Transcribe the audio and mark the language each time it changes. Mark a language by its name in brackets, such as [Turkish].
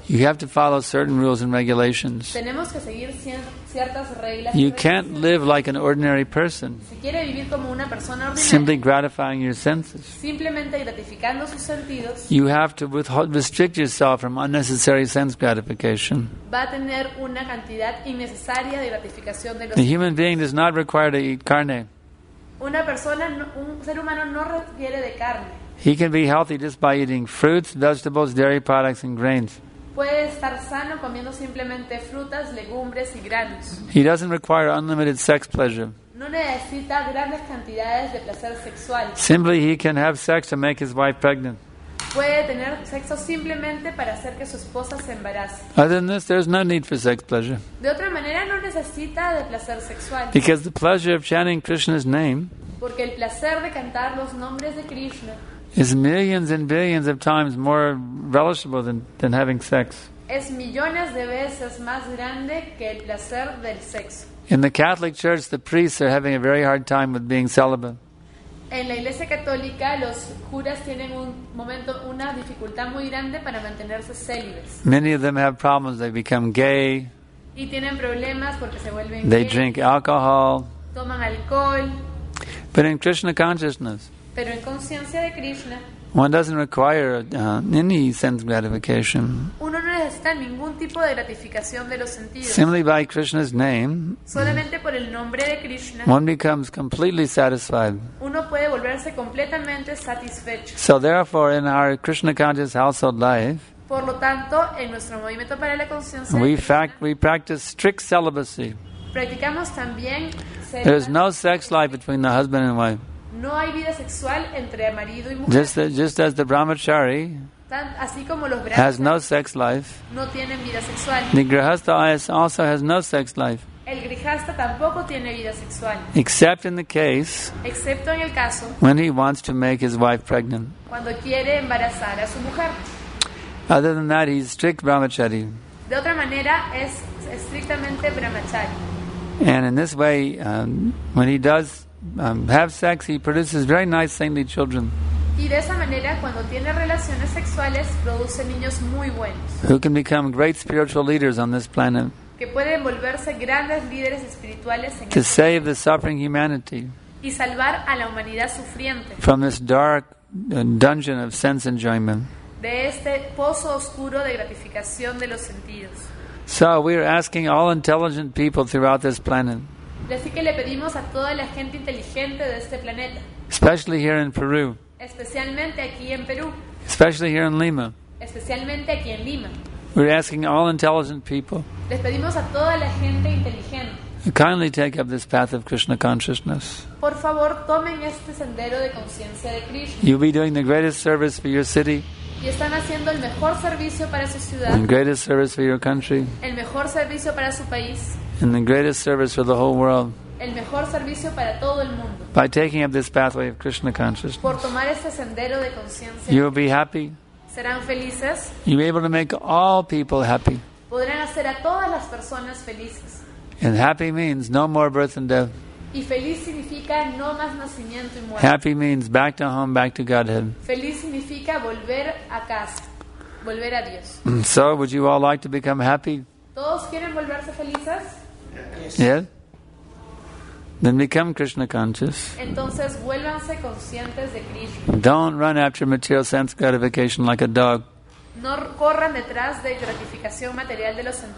[English] you have to follow certain rules and regulations. [Spanish] Tenemos que seguir ciertas reglas. [English] You can't live like an ordinary person. [Spanish] Si quiere vivir como una persona ordinaria, [English] simply gratifying your senses. [Spanish] Simplemente gratificando sus sentidos. [English] You have to restrict yourself from unnecessary sense gratification. [Spanish] Va a tener una cantidad innecesaria de gratificación de los. [English] The human being does not require to eat carne. [Spanish] Una persona, un ser humano no requiere de carne. [English] He can be healthy just by eating fruits, vegetables, dairy products, and grains. [Spanish] Puede estar sano comiendo simplemente frutas, legumbres y granos. [English] He doesn't require unlimited sex pleasure. [Spanish] No necesita grandes cantidades de placer sexual. [English] Simply, he can have sex to make his wife pregnant. [Spanish] Puede tener sexo simplemente para hacer que su esposa se embarace. [English] Other than this, there's no need for sex pleasure. [Spanish] De otra manera, no necesita de placer sexual. [English] Because the pleasure of chanting Krishna's name, [Spanish] porque el placer de cantar los nombres de Krishna, [English] is millions and billions of times more relishable than having sex. [Spanish] Es millones de veces más grande que el placer del sexo. [English] In the Catholic Church, the priests are having a very hard time with being celibate. [Spanish] En la Iglesia Católica, los curas tienen un momento, una dificultad muy grande para mantenerse célibes. [English] Many of them have problems. They become gay. [Spanish] Y tienen problemas porque se vuelven [English] gay. They [Spanish] gay. [English] Drink alcohol. [Spanish] Toman alcohol. [English] But in Krishna consciousness, [Spanish] pero en conciencia de Krishna, [English] one doesn't require any sense gratification. [Spanish] Uno no necesita ningún tipo de gratificación de los sentidos. [English] Simply by Krishna's name, [Spanish] solamente por el nombre de Krishna, [English] one becomes completely satisfied. [Spanish] Uno puede volverse completamente satisfecho. [English] So therefore, in our Krishna conscious household life, [Spanish] por lo tanto, en nuestro movimiento para la conciencia, [English] we practice strict celibacy. [Spanish] Practicamos también. [English] There is no sex life between the husband and wife. [Spanish] No hay vida sexual entre marido y mujer. [English] Just as the brahmachari, has no sex life. [Spanish] No tienen vida sexual. [English] The grihastha also has no sex life. [Spanish] El grihastha tampoco tiene vida sexual. [English] Except in the case, [Spanish] excepto en el caso, [English] when he wants to make his wife pregnant. [Spanish] Cuando quiere embarazar a su mujer. [English] Other than that, he's strict brahmachari. [Spanish] De otra manera, es estrictamente brahmachari. [English] And in this way, when he does have sex, he produces very nice saintly children. [Spanish] Y de esa manera, cuando tiene relaciones sexuales, produce niños muy buenos. [English] Who can become great spiritual leaders on this planet? [Spanish] Que pueden volverse grandes líderes espirituales en [English] to save the suffering humanity. [Spanish] Y salvar a la humanidad sufriente. [English] From this dark dungeon of sense enjoyment. [Spanish] De este pozo oscuro de gratificación de los sentidos. [English] So we are asking all intelligent people throughout this planet. [Spanish] Así que le pedimos a toda la gente inteligente de este planeta. [English] Especially here in Peru. [Spanish] Especialmente aquí en Perú. [English] Especially here in Lima. [Spanish] Especialmente aquí en Lima. [English] We're asking all intelligent people. [Spanish] Les pedimos a toda la gente inteligente. [English] Kindly take up this path of Krishna consciousness. [Spanish] Por favor, tomen este sendero de conciencia de Krishna. [English] You'll be doing the greatest service for your city. [Spanish] Y están haciendo el mejor servicio para su ciudad. [English] The greatest service for your country. [Spanish] El mejor servicio para su país. [English] And the greatest service for the whole world. [Spanish] El mejor servicio para todo el mundo. [English] By taking up this pathway of Krishna consciousness. [Spanish] Por tomar este sendero de conciencia. [English] You will be happy. [Spanish] Serán felices. [English] You will be able to make all people happy. [Spanish] Podrán hacer a todas las personas felices. [English] And happy means no more birth and death. [Spanish] Y feliz significa no más nacimiento y muerte. [English] Happy means back to home, back to Godhead. [Spanish] Feliz significa volver a casa, volver a Dios. [English] So, would you all like to become happy? [Spanish] ¿Todos quieren volverse felices? [English] Yes. Yeah? Then become Krishna conscious. [Spanish] Entonces, vuélvanse conscientes de Krishna. [English] Don't run after material sense gratification like a dog. [Spanish] No corran detrás de gratificación material de los sentidos.